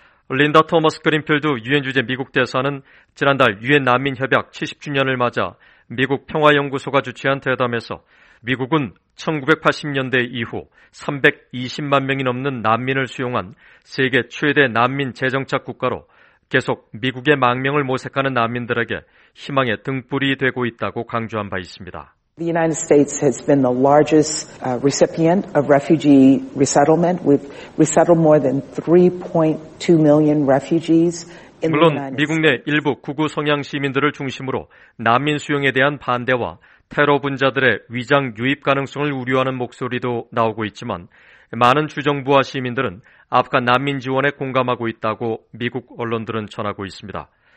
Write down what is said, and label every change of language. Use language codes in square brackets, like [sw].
[ko] 린다 토머스 그린필드 유엔 주재 미국 대사는 지난달 유엔 난민협약 70주년을 맞아 미국 평화연구소가 주최한 대담에서 미국은 1980년대 이후 320만 명이 넘는 난민을 수용한 세계 최대 난민 재정착 국가로 계속 미국의 망명을 모색하는 난민들에게 희망의 등불이 되고 있다고 강조한 바 있습니다. [en] The United States has been the largest recipient of refugee resettlement. We've resettled more than 3.2 million refugees. [ko] 물론 미국 내 일부 구구 성향 시민들을 중심으로 난민 수용에 대한 반대와 테러 분자들의 위장 유입 가능성을 우려하는 목소리도 나오고 있지만 많은 주정부와 시민들은 아프간 난민 지원에 공감하고 있다고 미국 언론들은 전하고 있습니다.